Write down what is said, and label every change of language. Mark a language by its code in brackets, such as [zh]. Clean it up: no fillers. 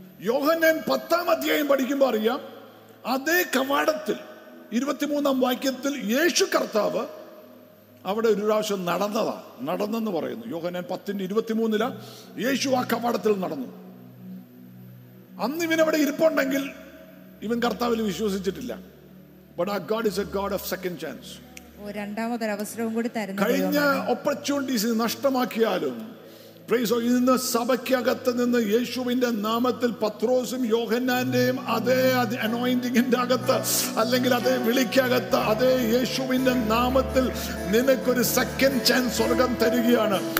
[ml] യോഹന്നാൻ 10 പഠിക്കുമ്പോ അറിയാം, അതേ കവാടത്തിൽ 23 വാക്യത്തിൽ യേശു കർത്താവ് അവിടെ ഒരു പ്രാവശ്യം നടന്നതാ, നടന്നെന്ന് പറയുന്നു. യോഹന്നാൻ 10:23 യേശു ആ കവാടത്തിൽ നടന്നു. അന്ന് ഇവൻ അവിടെ ഇരിപ്പുണ്ടെങ്കിൽ ഇവൻ കർത്താവിൽ വിശ്വസിച്ചിട്ടില്ല. [en] But our God is a God of second chance. [ml] ഓ രണ്ടാമത്തെ അവസരവും കൂടി തരുന്നു. കഴിഞ്ഞ ഓപ്പർച്യൂണിറ്റീസ് നഷ്ടമാക്കിയാലും പ്രൈസ് ഓ ഇന്ന് സഭയ്ക്കകത്ത് നിന്ന് യേശുവിന്റെ നാമത്തിൽ പത്രോസും യോഹന്നാന്റെയും അതേ അനോയിന്റിങ്ങിന്റെ അകത്ത് അല്ലെങ്കിൽ അതേ വിളിക്കകത്ത് അതേ യേശുവിന്റെ നാമത്തിൽ നിനക്കൊരു സെക്കൻഡ് ചാൻസ് സ്വർഗം തരികയാണ്.